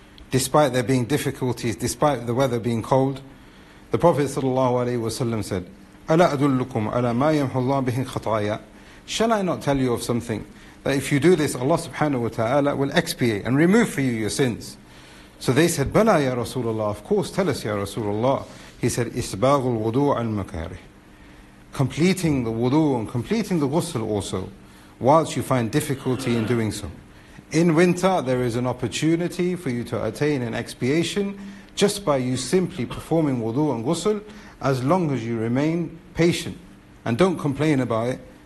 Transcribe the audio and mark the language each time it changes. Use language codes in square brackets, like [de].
[en] Despite there being difficulties, despite the weather being cold, the Prophet sallallahu alaihi wasallam said, [ar] أَلَا أَدُلُّكُمْ عَلَىٰ مَا يَمْحُ اللَّهُ بِهِنْ خَطَايَا. [en] Shall I not tell you of something, that if you do this, Allah subhanahu wa ta'ala will expiate and remove for you your sins? So they said, [ar] بَلَا يَا رَسُولَ اللَّهُ. [en] Of course, tell us, Ya Rasulullah. He said, [ar] إِسْبَاغُ الْوُضُوعَ الْمَكَارِهِ. [en] Completing the wudu and completing the ghusl also, whilst you find difficulty in doing so. In winter, there is an opportunity for you to attain an expiation just by you simply performing wudu and ghusl, as long as you remain patient and don't complain about it.